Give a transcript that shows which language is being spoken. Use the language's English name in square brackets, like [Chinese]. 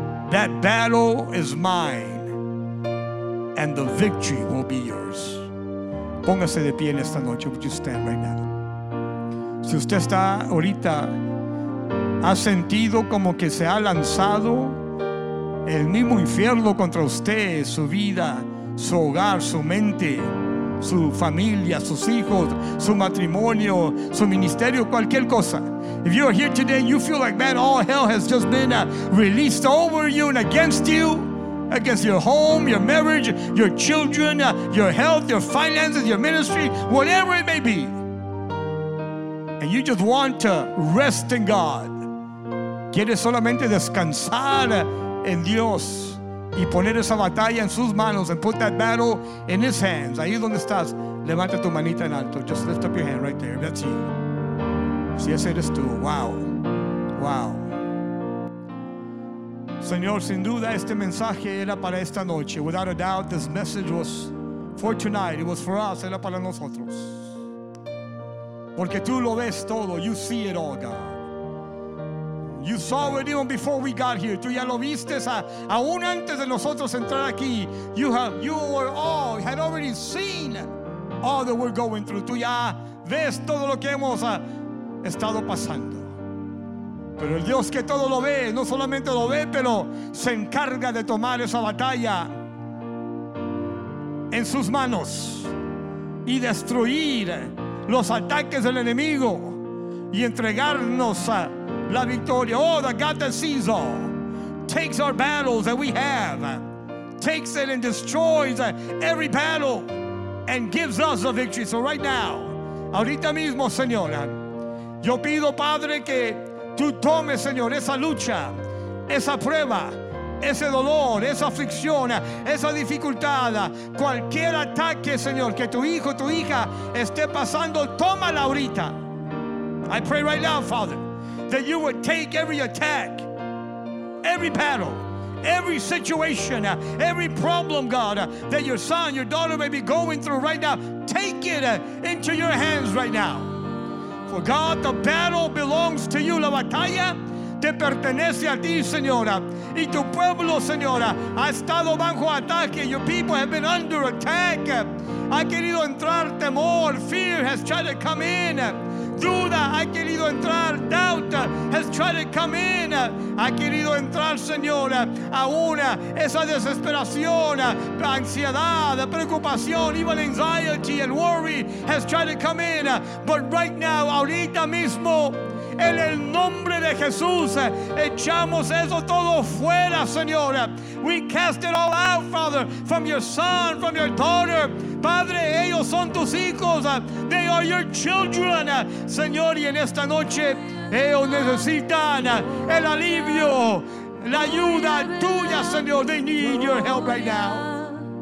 [English] That battle is mine, and the victory will be yours. [Spanish] Póngase de pie en esta noche. [English] Would you stand right now? [Spanish] Si usted está ahorita, ha sentido como que se ha lanzado el mismo infierno contra usted, su vida, su hogar, su mente, su familia, sus hijos, su matrimonio, su ministerio, cualquier cosa. [English] If you are here today and you feel like, man, all hell has just been released over you and against you, against your home, your marriage, your children, your health, your finances, your ministry, whatever it may be. and you just want to rest in God, [Spanish] quieres solamente descansar en Dios y poner esa batalla en sus manos, [English] and put that battle in His hands. [Spanish] Ahí donde estás, levanta tu manita en alto. [English] Just lift up your hand right there. That's you. [Spanish] Si ese eres tú. [English] Wow. Wow. [Spanish] Señor, sin duda este mensaje era para esta noche. [English] Without a doubt, this message was for tonight. It was for us. [Spanish] Era para nosotros. Porque tú lo ves todo. [English] You see it all, God. You saw it even before we got here. [Spanish] Tú ya lo viste aún antes de nosotros entrar aquí. [English] You had already seen all that we're going through. [Spanish] Tú ya ves todo lo que hemos estado pasando. Pero el Dios que todo lo ve, no solamente lo ve, pero se encarga de tomar esa batalla en sus manos y destruir los ataques del enemigo y entregarnos a la victoria. [English] Oh, the God that sees all takes our battles that we have, takes it and destroys every battle and gives us the victory. So right now, [Spanish] ahorita mismo, Señora, yo pido, Padre, que tú tomes, Señor, esa lucha, esa prueba, ese dolor, esa aflicción, esa dificultad, cualquier ataque, Señor, que tu hijo, tu hija esté pasando, tómala ahorita. [English] I pray right now, Father, that you would take every attack, every battle, every situation, every problem, God, that your son, your daughter may be going through right now, take it into your hands right now. For God, the battle belongs to you. [Spanish] La batalla te pertenece a ti, Señora. Y tu pueblo, Señora, ha estado bajo ataque. [English] Your people have been under attack. [Spanish] Ha querido entrar temor. [English] Fear has tried to come in. [Spanish] Duda ha querido entrar. [English] Doubt has tried to come in. [Spanish] Ha querido entrar, Señora, aún esa desesperación, ansiedad, preocupación, [English] even anxiety and worry has tried to come in. But right now, [Spanish] ahorita mismo, en el nombre de Jesús, echamos eso todo fuera, Señora. [English] We cast it all out, Father, from your son, from your daughter. [Spanish] Padre, ellos son tus hijos. [English] They are your children. [Spanish] Señor, y en esta noche, ellos necesitan el alivio, la ayuda tuya, Señor. [English] They need your help right now.